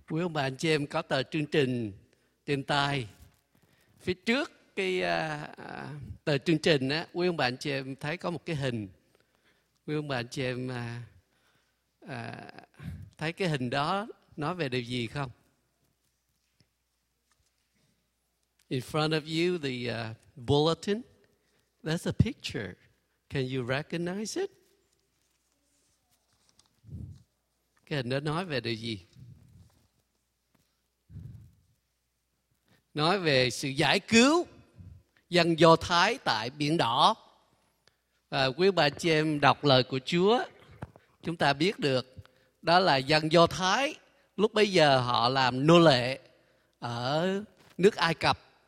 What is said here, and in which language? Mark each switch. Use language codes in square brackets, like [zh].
[vi] Quý ông bà anh chị em có tờ chương trình tiền tài phía trước cái tờ chương trình á, quý ông bà anh chị em thấy có một cái hình. Quý ông bà anh chị em thấy cái hình đó nói về điều gì không? [en] In front of you, the bulletin, that's a picture. Can you recognize it? [vi] Cái hình đó nói về điều gì? Nói về sự giải cứu dân Do Thái tại Biển Đỏ. Và quý bà chị em đọc lời của Chúa, chúng ta biết được đó là dân Do Thái lúc bấy giờ họ làm nô lệ ở nước Ai Cập.